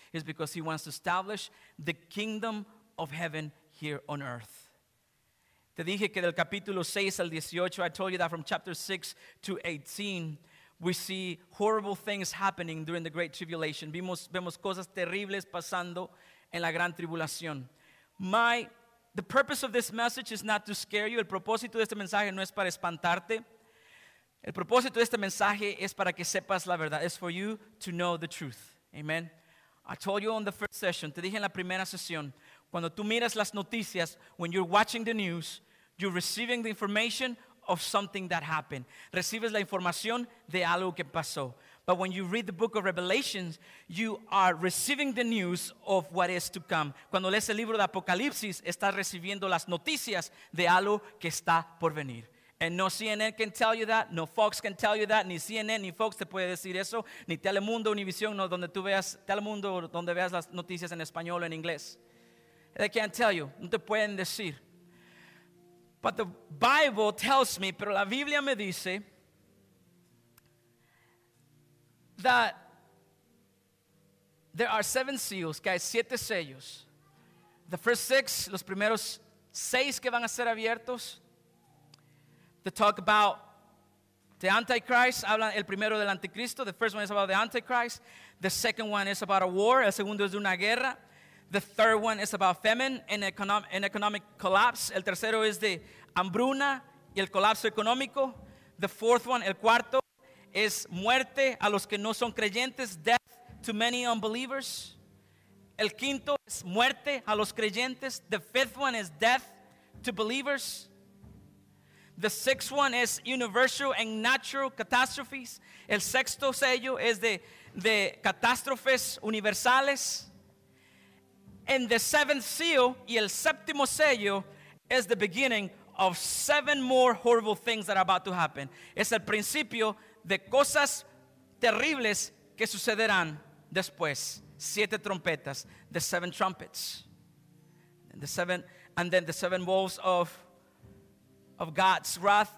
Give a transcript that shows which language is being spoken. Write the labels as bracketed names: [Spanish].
[English] It's because he wants to establish the kingdom of heaven here on earth. [Spanish] Te dije que del capítulo 6 al 18, [English] I told you that from chapter 6 to 18, we see horrible things happening during the Great Tribulation. [Spanish] Vemos cosas terribles pasando en la Gran Tribulación. [English] The purpose of this message is not to scare you. [Spanish] El propósito de este mensaje no es para espantarte. El propósito de este mensaje es para que sepas la verdad. [English] It's for you to know the truth. Amen. I told you on the first session, [Spanish] te dije en la primera sesión, cuando tú miras las noticias, [English] when you're watching the news, you're receiving the information of something that happened. [Spanish] Recibes la información de algo que pasó. [English] But when you read the book of Revelations, you are receiving the news of what is to come. [Spanish] Cuando lees el libro de Apocalipsis, estás recibiendo las noticias de algo que está por venir. [English] And no CNN can tell you that, [Spanish] no Fox can tell you that, ni CNN ni Fox te puede decir eso, ni Telemundo, Univision, no donde tú veas, Telemundo, donde veas las noticias en español o en inglés. [English] They can't tell you. [Spanish] No te pueden decir. [English] But the Bible tells me, [Spanish] pero la Biblia me dice, [English] that there are seven seals, [Spanish] que hay siete sellos. [English] The first six, [Spanish] los primeros seis que van a ser abiertos, [English] they talk about the Antichrist. [Spanish] Hablan el primero del Anticristo. [English] The first one is about the Antichrist. The second one is about a war. [Spanish] El segundo es de una guerra. [English] The third one is about famine and economic collapse. [Spanish] El tercero es de hambruna y el colapso económico. [English] The fourth one, [Spanish] el cuarto, es muerte a los que no son creyentes, [English] death to many unbelievers. [Spanish] El quinto es muerte a los creyentes. [English] The fifth one is death to believers. The sixth one is universal and natural catastrophes. [Spanish] El sexto sello es de catástrofes universales. [English] And the seventh seal, [Spanish] y el séptimo sello, [English] is the beginning of seven more horrible things that are about to happen. [Spanish] Es el principio de cosas terribles que sucederán después. Siete trompetas, [English] the seven trumpets, and then the seven bowls of God's wrath.